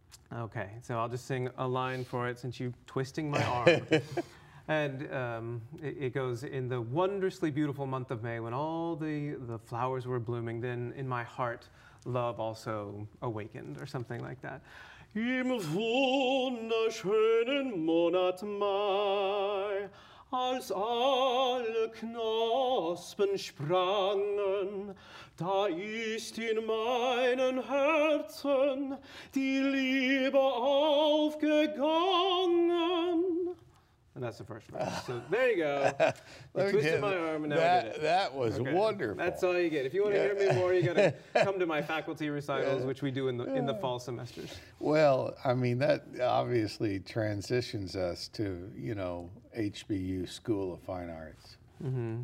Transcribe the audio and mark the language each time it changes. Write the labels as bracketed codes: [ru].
[en] Okay, so I'll just sing a line for it since you're twisting my arm. And it goes, in the wondrously beautiful month of May, when all the flowers were blooming, then in my heart, love also awakened, or something like that. [de] Im wunderschönen Monat Mai, als alle Knospen sprangen, da ist in meinen Herzen die Liebe aufgegangen. [en] And that's the first verse. So there you go. You twisted my arm and now that, I did it. That was okay. Wonderful. That's all you get. If you want to hear me more, you got to come to my faculty recitals, which we do in the fall semesters. Well, I mean, that obviously transitions us to, you know, HBU School of Fine Arts. Mm-hmm.